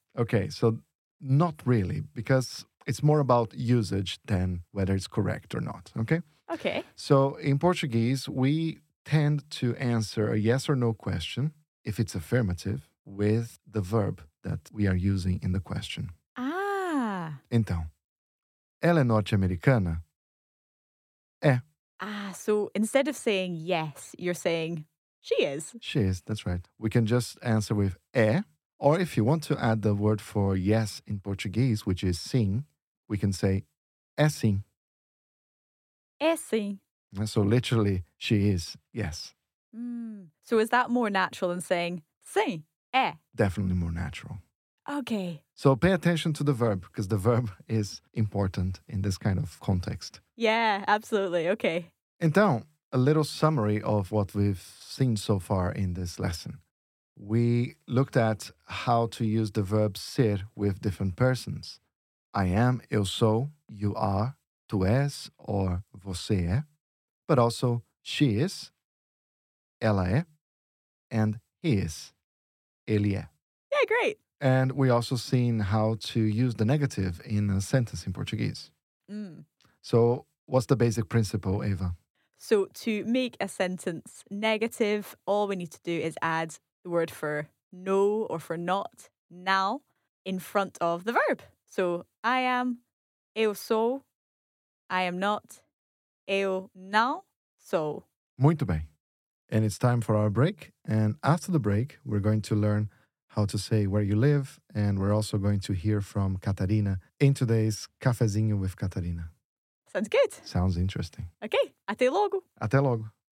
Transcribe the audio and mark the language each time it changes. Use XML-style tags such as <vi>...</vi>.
<en>Okay, so not really, because it's more about usage than whether it's correct or not, okay? Okay. So in Portuguese, we tend to answer a yes or no question, if it's affirmative, with the verb that we are using in the question. Ah.</en> <pt>Então, ela é norte-americana? É.</pt> <en>Ah, so instead of saying yes, you're saying she is. She is, that's right. We can just answer with é. Or if you want to add the word for yes in Portuguese, which is sim, we can say</en> <pt>é sim. É sim.</pt> <en>So literally, she is, yes. Mm. So is that more natural than saying sim, é? Definitely more natural. Okay. So pay attention to the verb, because the verb is important in this kind of context. Yeah, absolutely. Okay. Então, a little summary of what we've seen so far in this lesson. We looked at how to use the verb ser with different persons. I am,</en> <pt>eu sou,</pt> <en>you are,</en> <pt>tu és, or você é.</pt> <en>But also, she is,</en> <pt>ela é,</pt> <en>and he is,</en> <pt>ele é.</pt> <en>Yeah, great. And we also seen how to use the negative in a sentence in Portuguese. Mm. So, what's the basic principle, Eva? So, to make a sentence negative, all we need to do is add the word for no or for not, now, in front of the verb. So, I am,</en> <pt>eu sou,</pt> <en>I am not,</en> <pt>eu não sou. Muito bem.</pt> <en>And it's time for our break. And after the break, we're going to learn how to say where you live. And we're also going to hear from Catarina in today's Cafezinho with Catarina. Sounds good. Sounds interesting.</en> <pt>Okay. Até logo. Até logo.</pt>